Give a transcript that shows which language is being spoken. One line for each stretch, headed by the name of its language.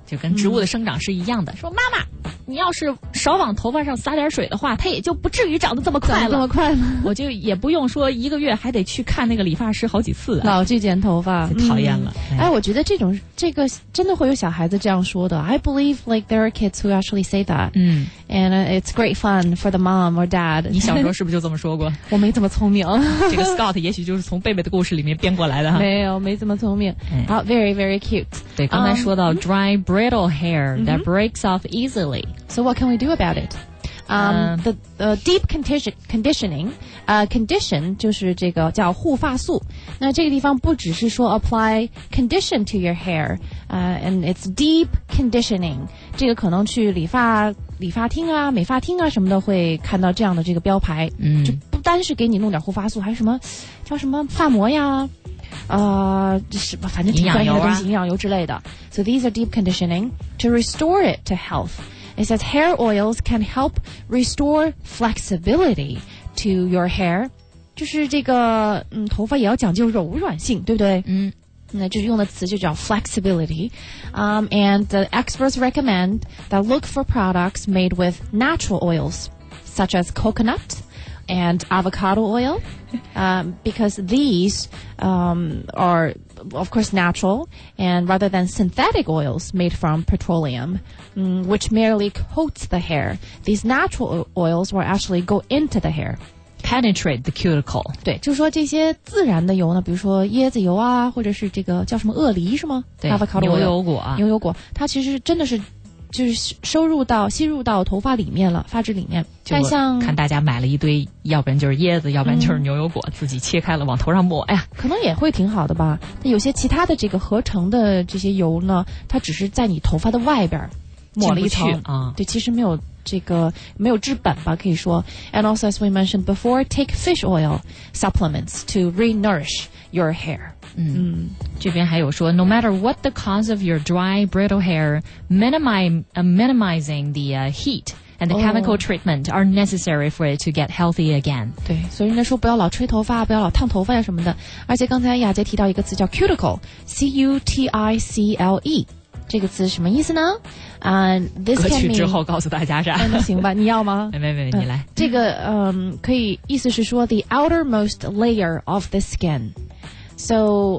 Chinese: 就跟植物的生长是一样的、嗯、说妈妈你要是少往头发上撒点水的话，它也就不至于长得这么快了。长得这么快吗？我就也不用说一个月还得去看那个理发师好几次、啊。老去剪头发，讨厌了。嗯、哎，我觉得这种这个真的会有小孩子这样说的。
English: I believe like there are kids who actually say that. 嗯，and it's great fun for the mom or dad.
Chinese: 你小时候是不是就这么说过？我没这么聪明。这个 Scott 也许就是从贝贝的故事里面编过来的哈。没有，没这么聪明。好、
English: oh, ，very very cute.
Chinese: 对，刚才说到
English: dry brittle hair that breaks off easily. So what can we do about it? The deep conditioning, condition
Chinese: 就是这个叫护发素。那这个地方不只是说
English: apply condition to your hair, and it's deep conditioning.
Chinese: 这个可能去理发厅啊、美发厅啊什么的会看到这样的这个标牌。嗯，就不单是给你弄点护发素，还有什么叫什么发膜呀？是吧，反正挺专业的东西，营养油之类的。
English: So these are deep conditioning to restore it to health. It says hair oils can help restore flexibility to your hair.
Chinese: 就是这个、嗯、头发也要讲究柔软性，对不对？嗯，那就用的词就叫 flexibility.
English: And the experts recommend that look for products made with natural oils, such as coconut and avocado oil, because these are, of course, natural, and rather than synthetic oils made from petroleum,which merely coats the hair. These natural oils will actually go into the hair. Penetrate the cuticle.
Chinese: 对，就是说这些自然的油呢，比如说椰子油啊，或者是这个叫什么鳄梨是吗？对，
English: Avocado oil,
Chinese: 牛油果、啊。牛油果，它其实真的是就是收入到吸入到头发里面了，发质里面。但像看大家买了一堆，要不然就是椰子，要不然就是牛油果，自己切开了往头上抹，哎呀，可能也会挺好的吧。那有些其他的这个合成的这些油呢，它只是在你头发的外边抹了一层啊、对，其实没有这个没有治本吧，可以说。
English: And also as we mentioned before, take fish oil supplements to re-nourish your hair.
Chinese: 这边还有说
English: ，No matter what the cause of your dry brittle hair, minimizing the heat and the chemical treatment are necessary for it to get healthy again.
Chinese: 对，所以人家说不要老吹头发，不要老烫头发呀什么的。而且刚才雅洁提到一个词叫 cuticle, C-U-T-I-C-L-E。这个词什么意思呢？this 歌曲之后告诉大家啥？那行吧，你要吗？没，你来。这个可以意思是说
English: the outermost layer of the skin， so